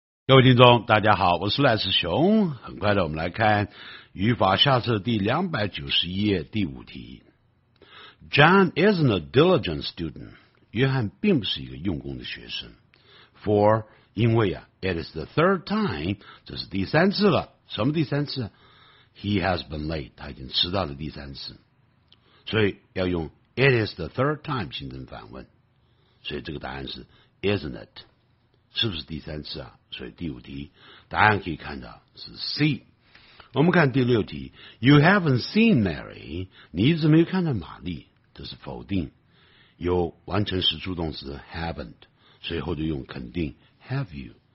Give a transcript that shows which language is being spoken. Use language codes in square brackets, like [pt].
[zh] 各位听众大家好，我是赖世雄。很快的，我们来看语法下册第291页第5题。 [en] John isn't a diligent student. [zh] 约翰并不是一个用功的学生。 [en] For, [zh] 因为啊 [en] it is the third time, [zh] 这是第三次了。什么第三次？ [en] He has been late, [zh] 他已经迟到了第三次。所以要用 [en] it is the third time [zh] 形成反问。所以这个答案是 isn't it? 是不是第三次啊？所以第5题答案可以看到是 C。我们看第6题， [en] You haven't seen Mary， [zh] 你一直没有看到玛丽，这是否定，有完成时助动词 haven't， 随后就用肯定 have you。